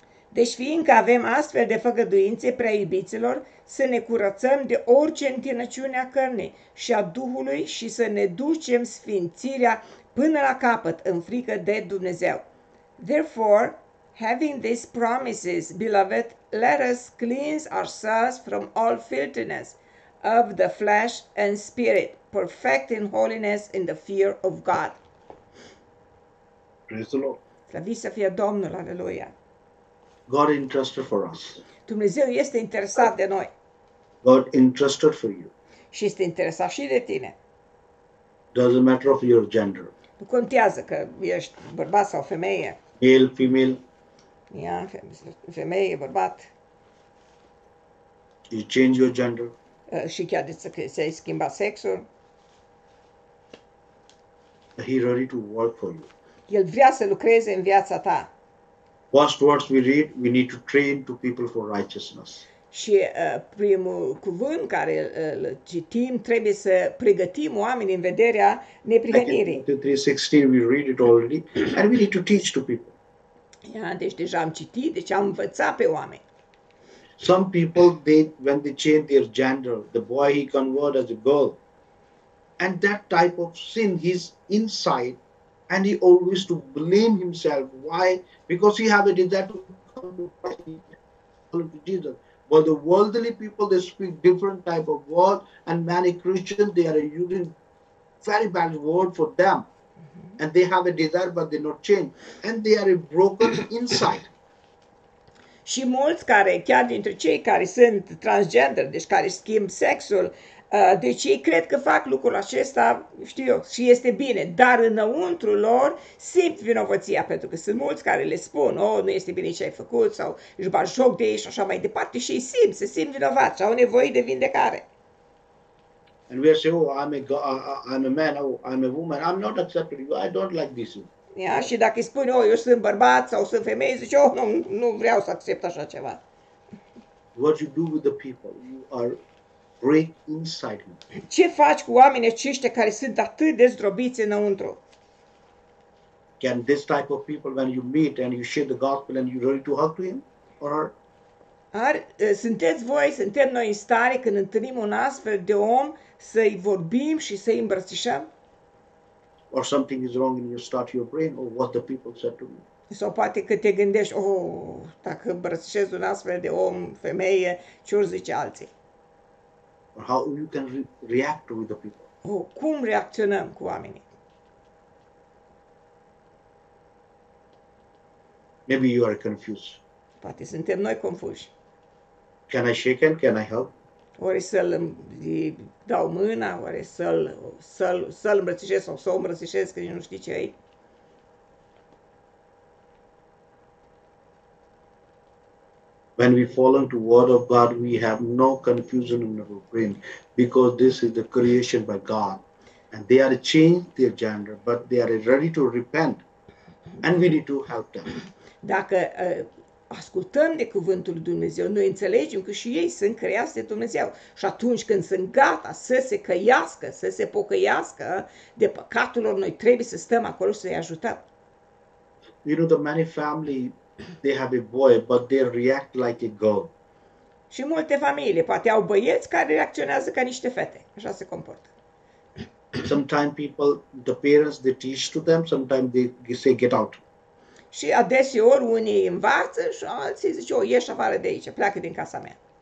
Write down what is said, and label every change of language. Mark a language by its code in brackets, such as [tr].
[ro] Deci fiindcă avem astfel de făgăduințe, prea iubiților, să ne curățăm de orice întinăciune a cărnii și a Duhului și să ne ducem sfințirea până la capăt în frică de Dumnezeu. [en] Therefore, having these promises, beloved, let us cleanse ourselves from all filthiness of the flesh and spirit, perfect in holiness in the fear of God. Praise the Lord. [ro] Slăviți să fie Domnul, aleluia. [en] God interested for us. [ro] Dumnezeu este interesat de noi. [en] God interested for you. [ro] Și este interesat și de tine. [en] Doesn't matter of your gender. [ro] Nu contează că ești bărbat sau femeie. [en] Male, female. [ro] Ia, femeie, bărbat. [en] You change your gender. [ro] Și chiar de ce se schimba sexul. [en] He ready to work for you. [ro] El vrea să lucreze în viața ta. [en] First words we read, we need to train to people for righteousness. [ro] Și primul cuvânt care îl citim, trebuie să pregătim oamenii în vederea neprihănirii. [en] 3:16 we read it already and we need to teach to people. [ro] Ia, deci deja am citit, deci am învățat pe oameni. [en] Some people they when they change their gender, the boy he convert as a girl. And that type of sin he's inside and he always to blame himself. Why? Because he have a desire to come to Jesus. But the worldly people they speak different type of word and many Christians they are using very bad word for them. Mm-hmm. And they have a desire but they not change. And they are broken inside. [ro] Și mulți care, chiar dintre cei care sunt transgender, deci care schimb sexul, deci ei cred că fac lucrul acesta, știu eu, și este bine, dar înăuntru lor simt vinovăția, pentru că sunt mulți care le spun, oh, nu este bine ce ai făcut, sau își bagi joc de ei și așa mai departe, și ei simt, se simt vinovați și au nevoie de vindecare. [en] And we say, oh, I'm a man, oh, I'm a woman, I'm not accepted, I don't like this. [ro] Ia, și dacă îi spune, oh, eu sunt bărbat sau sunt femeie, zice, oh, nu vreau să accept așa ceva. [en] What you do with the people, you are break inside them. [ro] Ce faci cu oamenii aceștia care sunt atât de zdrobiți înăuntru? [en] Can this type of people, when you meet and you share the gospel and you're ready to hug to him or her? [ro] Sunteți voi, suntem noi în stare când întâlnim un astfel de om să-i vorbim și să-i îmbrățișăm? [en] Or something is wrong and you start your brain or what the people said to me. [ro] Sau poate că te gândești, oh, dacă îmbrățișez un astfel de om, femeie, ce ori zice alții? [en] Or how you can react with the people. [ro] Oh, cum reacționăm cu oamenii? [en] Maybe you are confused. [ro] Poate suntem noi confuși. [en] Can I shake him? Can I help? [ro] Ori să-l dau mâna, ori să-l îmbrățișez sau să o îmbrățișez, că nu știi ce e. [en] When we fall into word of God, we have no confusion in our brain, because this is the creation by God. And they are changed their gender, but they are ready to repent. And we need to help them. [ro] Dacă ascultăm de cuvântul lui Dumnezeu, noi înțelegem că și ei sunt creați de Dumnezeu. Și atunci când sunt gata să se căiască, să se pocăiască de păcatul lor, noi trebuie să stăm acolo să îi ajutăm. [en] You know, the many family, they have a boy, but they react like a girl. [ro] Și multe familii poate au băieți care reacționează ca niște fete. Așa se comportă. [en] Sometimes people, the parents, they teach to them, sometimes they say, get out. [ro] Și adeseori unii învață și alții zice, oh, ieși afară de aici, pleacă din casa mea.